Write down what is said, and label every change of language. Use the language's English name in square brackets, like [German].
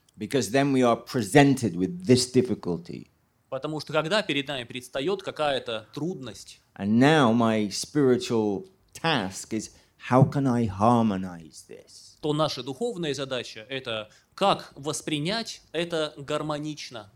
[English] Because then we are presented with this difficulty. [Russian] Потому что когда перед нами предстает какая-то трудность, [English] and now my spiritual task is, how can I harmonize this? [Russian] То наша духовная задача — это как воспринять это гармонично.